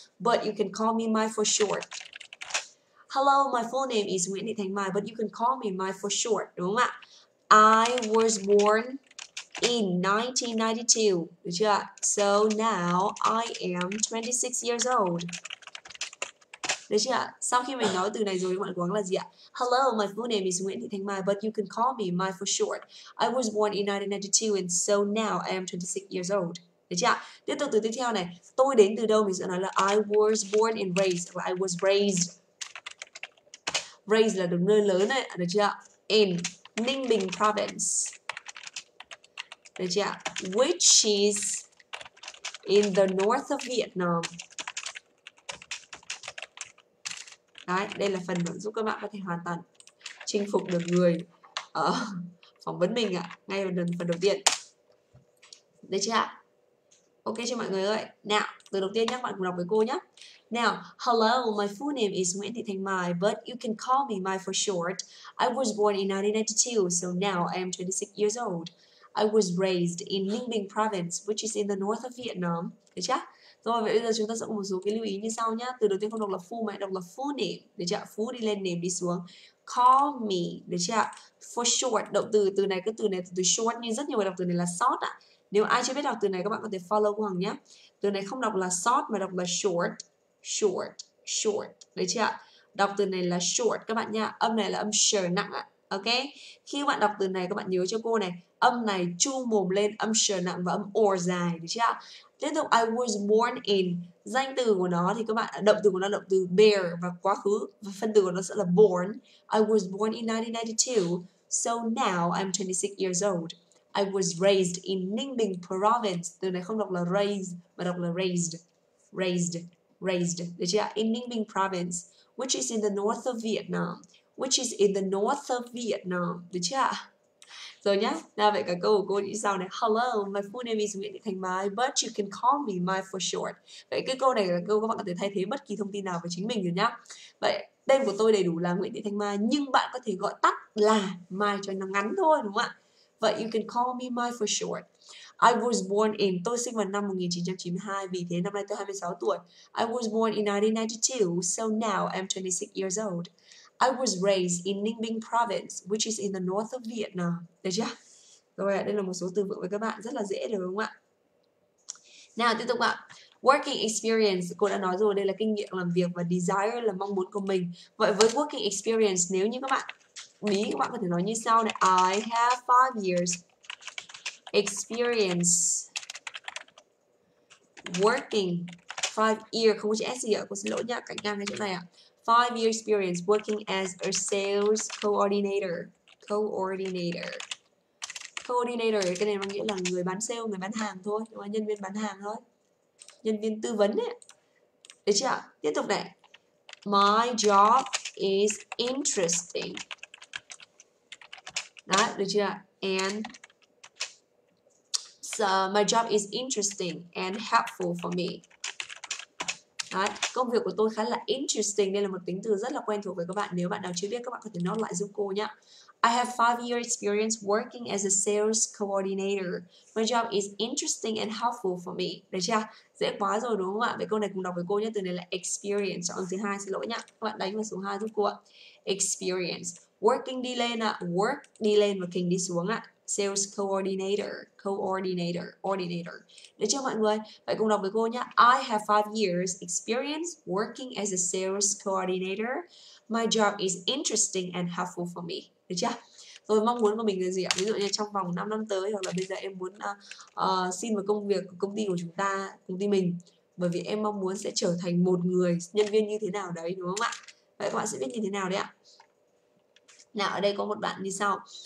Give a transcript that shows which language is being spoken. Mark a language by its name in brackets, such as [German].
[English] But you can call me Mai for short. Hello, my full name is Nguyễn Thị Thanh Mai, but you can call me Mai for short, đúng không ạ? I was born In 1992, được chưa? So now I am 26 years old. Được chưa? [Vietnamese] Sau khi mình nói từ này rồi, các bạn quán là gì ạ? [English] Hello, my full name is Nguyễn Thị Thanh Mai, but you can call me Mai for short. I was born in 1992 and so now I am 26 years old. Được chưa? [Vietnamese] Tiếp tục từ tiếp theo này. Tôi đến từ đâu? [English] Mình sẽ nói là I was born and raised. I was raised. [Vietnamese] Raised là được nơi lớn ấy, được chưa? In Ninh Bình province. Được chưa? [English] Which is in the north of Vietnam. [Vietnamese] Đấy, đây là phần giúp các bạn có thể hoàn toàn chinh phục được người ở phỏng vấn mình ạ, ngay ở phần đầu tiên. Được chưa? Ok chưa mọi người ơi? Nào, từ đầu tiên nhé, các bạn cùng đọc với cô nhé. [English] Now, hello, my full name is Nguyễn Thị Thanh Mai, but you can call me Mai for short. I was born in 1992, so now I am 26 years old. I was raised in Ninh Bình province, which is in the north of Vietnam. [Vietnamese] Được chưa? Rồi, vậy bây giờ chúng ta sẽ có một số cái lưu ý như sau nhá. Từ đầu tiên không đọc là full mà đọc là full name. Được chưa? Full đi lên, name đi xuống. Call me. Được chưa? For short. Động từ, từ này, cái từ này, từ short. Nhưng rất nhiều người đọc từ này là short ạ. Nếu ai chưa biết đọc từ này, các bạn có thể follow cô Hằng nhé. Từ này không đọc là short mà đọc là short. Short. Short. Được chưa? Đọc từ này là short các bạn nhá. Âm này là âm sure nặng ạ. Ok, khi bạn đọc từ này các bạn nhớ cho cô này, âm này chu mồm lên, âm sờ nặng và âm or dài, được chưa? Tiếp tục, I was born in, danh từ của nó thì các bạn, động từ của nó động từ bear và quá khứ, và phân từ của nó sẽ là born. [English] I was born in 1992, so now I'm 26 years old. [Vietnamese] I was raised in Ninh Bình province, từ này không đọc là raised mà đọc là raised, raised, raised, được chưa? [English] In Ninh Bình province, which is in the north of Vietnam. Which is in the north of Vietnam. Được chưa? Rồi nhá. [Vietnamese] Nào vậy cả câu của cô như sau này. [English] Hello, my full name is Nguyễn Thị Thanh Mai, but you can call me Mai for short. [Vietnamese] Vậy cái câu này là câu các bạn có thể thay thế bất kỳ thông tin nào về chính mình rồi nhá. Vậy tên của tôi đầy đủ là Nguyễn Thị Thanh Mai, nhưng bạn có thể gọi tắt là Mai cho nó ngắn thôi, đúng không ạ? Vậy you can call me Mai for short. I was born in, tôi sinh vào năm 1992, vì thế năm nay tôi 26 tuổi. [English] I was born in 1992, so now I'm 26 years old. I was raised in Ninh Bình province, which is in the north of Vietnam. [Vietnamese] Được chưa? Rồi, đây là một số từ vựng với các bạn, rất là dễ được không ạ? Nào, tiếp tục ạ. Working experience, cô đã nói rồi, đây là kinh nghiệm làm việc và desire là mong muốn của mình. Vậy với working experience, nếu như các bạn bí, các bạn có thể nói như sau này. [English] I have 5 years experience working. [Vietnamese] 5 year, không có chữ S gì ạ, cô xin lỗi nhá, cạnh ngang cái chỗ này ạ. 5-year experience working as a sales coordinator. Coordinator. Coordinator, cái này nghĩa là người bán sale, người bán hàng thôi. Đúng không? Nhân viên bán hàng thôi. Nhân viên tư vấn ấy. Được chưa? Tiếp tục này. My job is interesting. Đó, được chưa? [English] And so my job is interesting and helpful for me. [Vietnamese] Đấy, công việc của tôi khá là interesting. Đây là một tính từ rất là quen thuộc với các bạn. Nếu bạn nào chưa biết, các bạn có thể note lại giúp cô nhé. [English] I have 5-year experience working as a sales coordinator. My job is interesting and helpful for me. [Vietnamese] Được chưa? Dễ quá rồi đúng không ạ? Vậy câu này cùng đọc với cô nhé. Từ này là experience. Chọn thứ 2, xin lỗi nhé. Các bạn đánh vào số 2 giúp cô ạ. Experience. Working đi lên ạ. Work đi lên và king đi xuống ạ. Sales coordinator, coordinator, ordinator. Được chưa mọi người? Vậy cùng đọc với cô nhé. [English] I have 5 years experience working as a sales coordinator. My job is interesting and helpful for me. [Vietnamese] Được chưa? Rồi mong muốn của mình là gì ạ? Ví dụ như trong vòng 5 năm tới, hoặc là bây giờ em muốn xin một công việc của công ty của chúng ta, công ty mình. Bởi vì em mong muốn sẽ trở thành một người nhân viên như thế nào đấy, đúng không ạ? Vậy các bạn sẽ biết như thế nào đấy ạ? Nào ở đây có một bạn như sau.